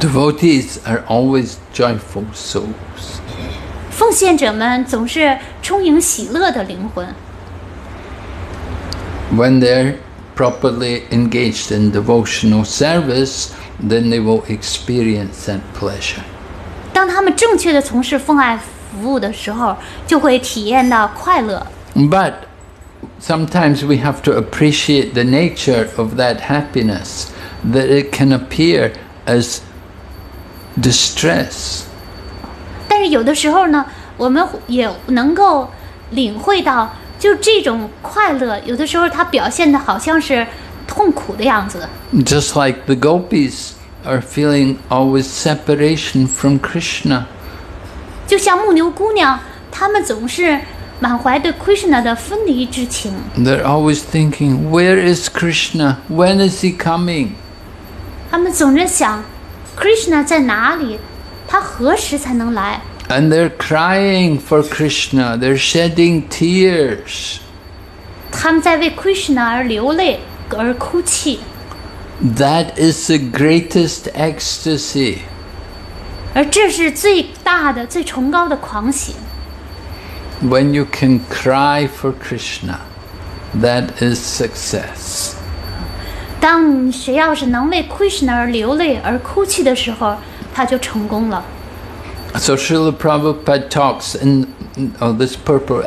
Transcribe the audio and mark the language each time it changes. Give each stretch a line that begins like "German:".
English: Devotees are always joyful souls.
Chinese: 奉献者们总是充盈喜乐的灵魂。
English: When they're properly engaged in devotional service, then they will experience that pleasure.
Chinese: 当他们正确地从事奉爱服务的时候，就会体验到快乐。
English: But sometimes we have to appreciate the nature of that happiness, that it can appear as distress.
Chinese: 但是有的时候呢，我们也能够领会到，就这种快乐，有的时候它表现的好像是痛苦的样子。
English: Just like the gopis. Are feeling always separation from Krishna.
Chinese: 就像牧牛姑娘，她们总是满怀对 Krishna 的分离之情。
English: They're always thinking, "Where is Krishna? When is he coming?"
Chinese: 她们总是想 ，Krishna 在哪里？他何时才能来
English: ？And they're crying for Krishna. They're shedding tears.
Chinese: 他们在为Krishna而流泪而哭泣。
English: That is the greatest ecstasy.
Chinese: 而这是最大的最崇高的狂喜。
English: When you can cry for Krishna, that is success.
Chinese: 当谁要是能为Krishna而流泪而哭泣的时候，他就成功了。
English: So Srila Prabhupada talks in this purport.